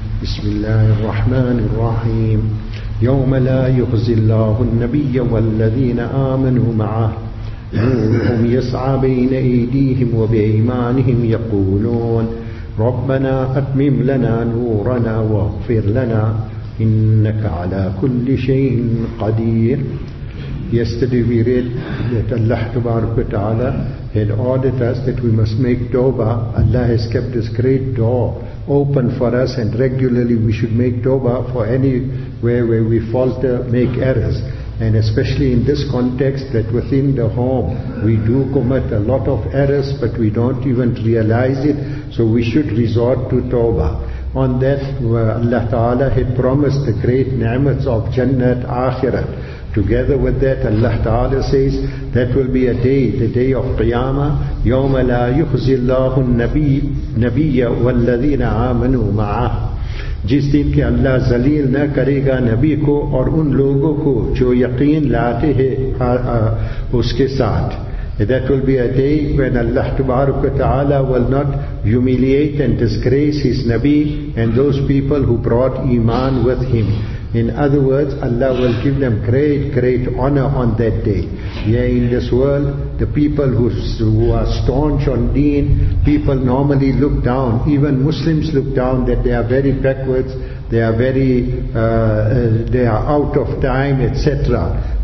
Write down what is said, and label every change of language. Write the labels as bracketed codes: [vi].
[ar] بسم الله الرحمن الرحيم. يوم لا يخزي الله النبي والذين آمنوا معه، نورهم يسعى بين أيديهم وبإيمانهم يقولون ربنا أتمم لنا نورنا واغفر لنا إنك على كل شيء قدير. [en] Yesterday we read that Allah tabarak wa ta'ala had ordered us that we must make tawbah. Allah has kept this great door open for us, and regularly we should make tawbah for anywhere where we falter, make errors. And especially in this context, that within the home we do commit a lot of errors but we don't even realize it, so we should resort to tawbah. On that, Allah ta'ala had promised the great ni'mats of Jannat, Akhirat. Together with that, Allah Ta'ala says, that will be a day, the day of Qiyamah. [ar] يَوْمَ لَا يُخْزِ اللَّهُ النَّبِيَّ وَالَّذِينَ آمَنُوا مَعَهُ. [ur] جس دن کہ اللہ ذلیل نہ کرے گا نبی کو اور ان لوگوں کو جو یقین لاتے ہیں اس کے ساتھ. [en] That will be a day when Allah Tabaraka Ta'ala will not humiliate and disgrace His Nabi and those people who brought Iman with Him. In other words, Allah will give them great, great honor on that day. Yeah, in this world, the people who are staunch on deen, people normally look down, even Muslims look down, that they are very backwards, they are very, they are out of time, etc.